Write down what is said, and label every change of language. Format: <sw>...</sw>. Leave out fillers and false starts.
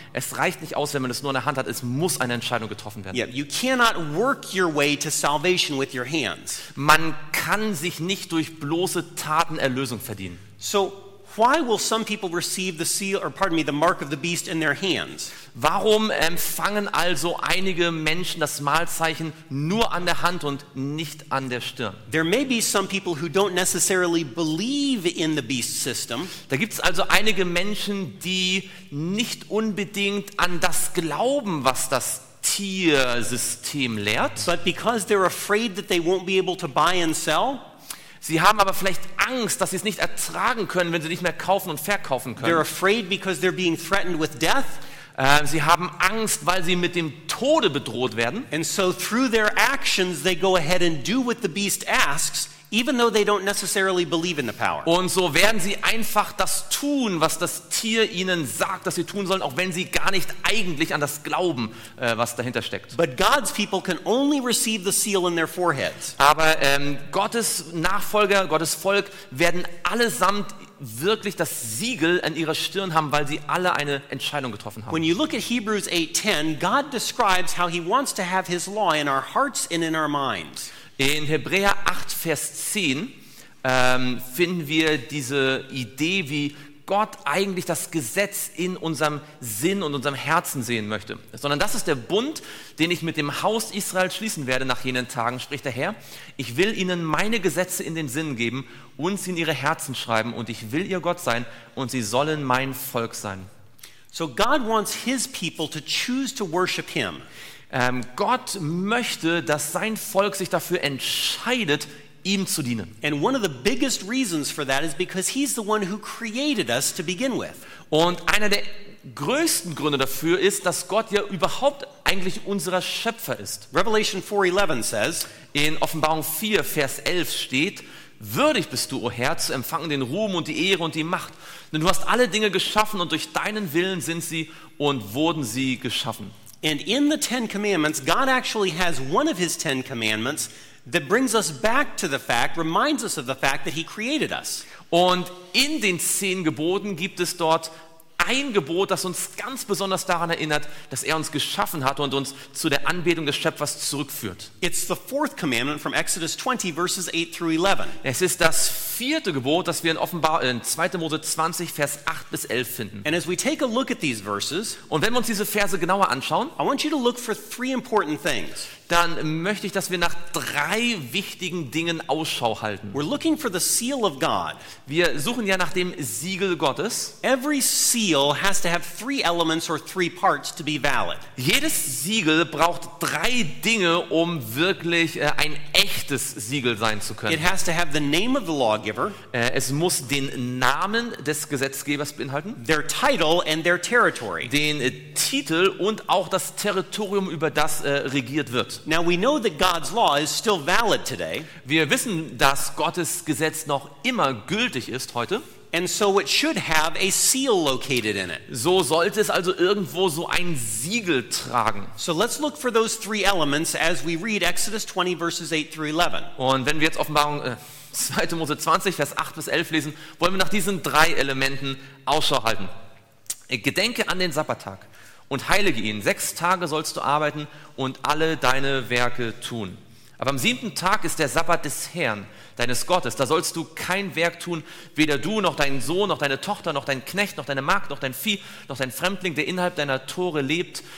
<de>Es reicht nicht aus, wenn man es nur in der Hand hat. Es muss eine Entscheidung getroffen werden.</de> <en>Yeah, you cannot work your way to salvation with your hands.</en> <de>Man kann sich nicht durch bloße Taten Erlösung verdienen.</de> <en>So why will some people receive the seal, or pardon me, the mark of the beast in their hands?</en> <de>Warum empfangen also einige Menschen das Malzeichen nur an der Hand und nicht an der Stirn?</de> <en>There may be some people who don't necessarily believe in the beast system.</en> <de>Da gibt's also einige Menschen, die nicht unbedingt an das glauben, was das Tiersystem lehrt.</de> <en>But because they're afraid that they won't be able to buy and sell.</en> <de>Sie haben aber vielleicht Angst, dass sie es nicht ertragen können, wenn sie nicht mehr kaufen und verkaufen können.</de> <en>They're afraid because they're being threatened with death.</en> <de>Sie haben Angst, weil sie mit dem Tode bedroht werden.</de> <en>And so through their actions they go ahead and do what the beast asks, even though they don't necessarily believe in the power.</en> <de>Und so werden sie einfach das tun, was das Tier ihnen sagt, dass sie tun sollen, auch wenn sie gar nicht eigentlich an das glauben, was dahinter steckt.</de> <en>But God's people can only receive the seal in their foreheads.</en> <de>Aber Gottes Nachfolger, Gottes Volk werden allesamt wirklich das Siegel an ihrer Stirn haben, weil sie alle eine Entscheidung getroffen haben.</de> <en>When you look at Hebrews 8:10, God describes how he wants to have his law in our hearts and in our minds.</en> <de>In Hebräer 8, Vers 10 finden wir diese Idee, wie Gott eigentlich das Gesetz in unserem Sinn und unserem Herzen sehen möchte. Sondern das ist der Bund, den ich mit dem Haus Israel schließen werde nach jenen Tagen, spricht der Herr. Ich will ihnen meine Gesetze in den Sinn geben und sie in ihre Herzen schreiben und ich will ihr Gott sein und sie sollen mein Volk sein.</de> <en>So God wants his people to choose to worship him.</en> <de>Gott möchte, dass sein Volk sich dafür entscheidet, ihm zu dienen.</de> <en>And one of the biggest reasons for that is because he's the one who created us to begin with.</en> <de>Und einer der größten Gründe dafür ist, dass Gott ja überhaupt eigentlich unser Schöpfer ist.</de> <en>Revelation 4:11 says,</en> <de>in Offenbarung 4, Vers 11 steht, würdig bist du, o Herr, zu empfangen den Ruhm und die Ehre und die Macht. Denn du hast alle Dinge geschaffen und durch deinen Willen sind sie und wurden sie geschaffen.</de> <en>And in the Ten Commandments, God actually has one of his Ten Commandments that brings us back to the fact, reminds us of the fact that he created us.</en> <de>Und in den Zehn Geboten gibt es dort ein Gebot, das uns ganz besonders daran erinnert, dass uns geschaffen hat und uns zu der Anbetung des Schöpfers zurückführt.</de> <en>It's the fourth commandment from Exodus 20, verses 8 through 11.</en> <de>Es ist das vierte Gebot, das wir in 2. Mose 20, Vers 8 bis 11 finden.</de> <en>And as we take a look at these verses,</en> <de>und wenn wir uns diese Verse genauer anschauen,</de> <en>I want you to look for three important things.</en> <de>Dann möchte ich, dass wir nach drei wichtigen Dingen Ausschau halten.</de> <en>We're looking for the seal of God.</en> <de>Wir suchen ja nach dem Siegel Gottes.</de> <en>Every seal has to have three elements or three parts to be valid.</en> <de>Jedes Siegel braucht drei Dinge, um wirklich ein echtes Siegel sein zu können.</de> <en>It has to have the name of the lawgiver.</en> <de>Es muss den Namen des Gesetzgebers beinhalten.</de> <en>Their title and their territory.</en> <de>Den Titel und auch das Territorium, über das regiert wird.</de> <en>Now we know that God's law is still valid today.</en> <de>Wir wissen, dass Gottes Gesetz noch immer gültig ist heute.</de> <en>And so it should have a seal located in it.</en> <de>So sollte es also irgendwo so ein Siegel tragen.</de> <en>So let's look for those three elements as we read Exodus 20 verses 8 through 11.</en> <de>Und wenn wir jetzt Offenbarung 2. Mose 20 Vers 8 bis 11 lesen, wollen wir nach diesen drei Elementen Ausschau halten. Gedenke an den Sabbattag. Und heilige ihn. Sechs Tage sollst du arbeiten und alle deine Werke tun. Aber am siebten Tag ist der Sabbat des Herrn, deines Gottes. Da sollst du kein Werk tun, weder du noch dein Sohn, noch deine Tochter, noch dein Knecht, noch deine Magd, noch dein Vieh, noch dein Fremdling, der innerhalb deiner Tore lebt.</de>